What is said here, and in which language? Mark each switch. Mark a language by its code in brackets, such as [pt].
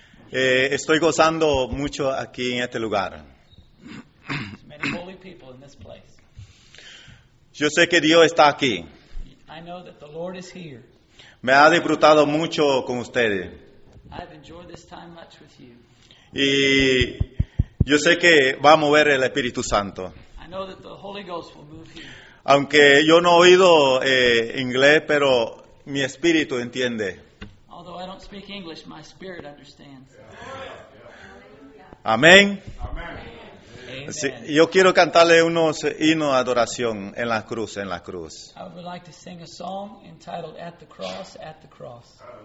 [es] Estoy gozando mucho aquí en este lugar. [en] Many holy people in this place. [es] Yo sé que Dios está aquí. [en] I know that the Lord is here. [es] Me ha disfrutado mucho con ustedes. [en] I've enjoyed this time much with you. [es] Y yo sé que va a mover el Espíritu Santo. [en] I know that the Holy Ghost will move here. [es] Aunque yo no he oído inglés, pero mi espíritu entiende. [en] Although I don't speak English, my spirit understands. Amen. Amen. [es] Amen. Sí, yo quiero cantarle unos himnos de adoración en la cruz, en la cruz. [en] I would like to sing a song entitled At the Cross, At the Cross.